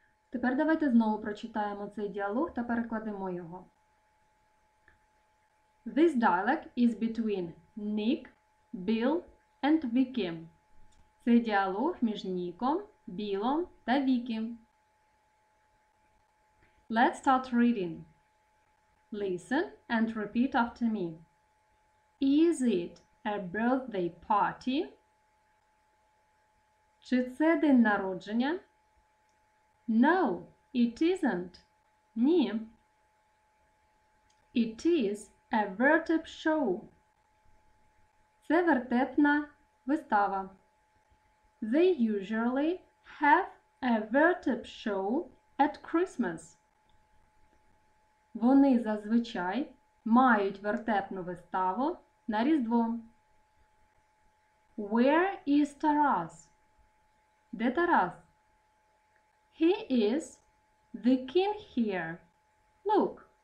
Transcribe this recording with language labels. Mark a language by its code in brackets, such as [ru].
[uk] Тепер давайте знову прочитаємо цей діалог та перекладемо його. [en] This dialogue is between Nick, Bill and Vicky. [uk] Цей діалог між Ніком, Білом та Вікі. [en] Let's start reading. Listen and repeat after me. Is it a birthday party? [uk] Чи це день народження? [en] No, it isn't. [uk] Ні. [en] It is a vertep show. [uk] Це вертепна вистава. [en] They usually have a vertep show at Christmas. [uk] Вони зазвичай мають вертепну виставу на Різдво. [en] Where is Taras? [uk] Де Тарас? [en] He is the king here. Look.